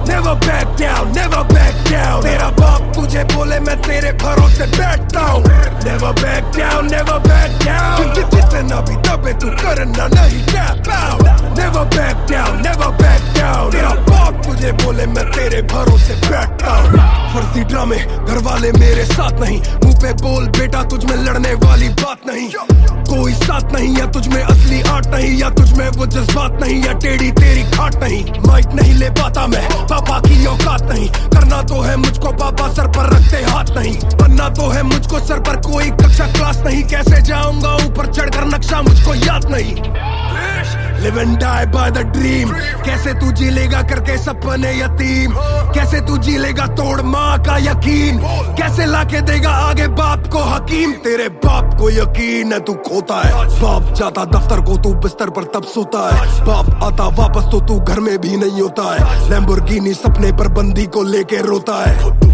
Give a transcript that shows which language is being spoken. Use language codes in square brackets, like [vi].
[en] Never back down, never back down. [hi] Tera baap tujhe bole main tere bharose baithta hu. [en] Never back down, never back down. [hi] Jitna bhi dabe tu karna nahi [en] tap out. Never back down, never back down. [hi] Tera baap tujhe bole main tere bharose baithta hu. फर्जी ड्रामे घर वाले मेरे साथ नहीं, मुंह पे बोल बेटा तुझ में लड़ने वाली बात नहीं, कोई साथ नहीं या तुझ में असली आर्ट नहीं, या तुझ में वो जज्बात नहीं या टेढ़ी तेरी खाट नहीं, माइक नहीं ले पाता मैं, पापा की औकात नहीं, करना तो है मुझको पापा सर पर रखते हाथ नहीं, बनना तो है मुझको सर पर कोई कक्षा क्लास नहीं, कैसे जाऊंगा ऊपर चढ़कर नक्शा मुझको याद नहीं। [en] Live and die by the dream. [hi] कैसे तू जीलेगा करके सपने यतीम, कैसे तू जीलेगा तोड़ माँ का यकीन, कैसे लाके देगा आगे बाप को हकीम, तेरे बाप को यकीन है तू खोता है, बाप जाता दफ्तर को तू बिस्तर पर तब सोता है, बाप आता वापस तो तू घर में भी नहीं होता है, लैम्बोर्गिनी सपने पर बंदी को लेके रोता है,